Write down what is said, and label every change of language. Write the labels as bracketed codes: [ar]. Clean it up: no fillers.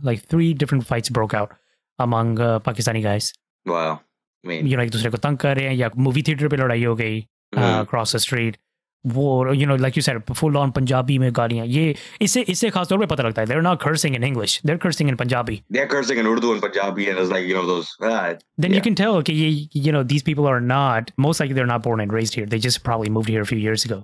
[en] Like 3 different fights broke out among Pakistani guys. Wow. [hi] You know, एक दूसरे को तंग कर रहे हैं, या मूवी थिएटर पे लड़ाई हो गई [en] across the street. War, you know, like you said, full on [hi] Punjabi mein gaaliyan. Ye isse khaas taur pe pata lagta hai. [en] They're not cursing in English. They're cursing in Punjabi. They're cursing in Urdu and Punjabi, and it's like, you know, those. You can tell, okay, you know, these people are not, most likely they're not born and raised here. They just probably moved here a few years ago.